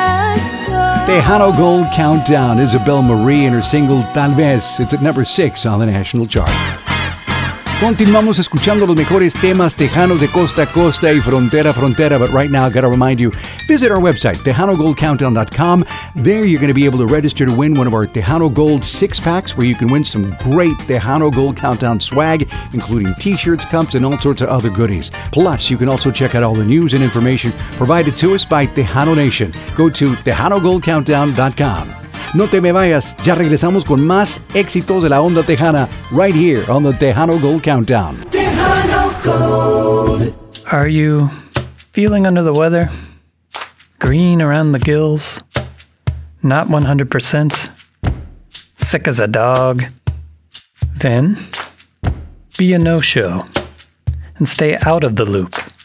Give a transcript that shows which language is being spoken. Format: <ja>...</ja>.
<en>Tejano Gold Countdown, Isabel Marie and her single Tal Vez. It's at number 6 on the national chart.</en> <es>Continuamos escuchando los mejores temas tejanos de costa a costa y frontera a frontera.</es> <en>But right now, I've got to remind you, visit our website, TejanoGoldCountdown.com. There you're going to be able to register to win one of our Tejano Gold 6-packs where you can win some great Tejano Gold Countdown swag, including t-shirts, cups, and all sorts of other goodies. Plus, you can also check out all the news and information provided to us by Tejano Nation. Go to TejanoGoldCountdown.com.</en> <es>No te me vayas, ya regresamos con más éxitos de la onda tejana,</es> <en>right here on the Tejano Gold Countdown. Tejano Gold. Are you feeling under the weather? Green around the gills? Not 100%? Sick as a dog? Then, be a no-show and stay out of the loop.</en>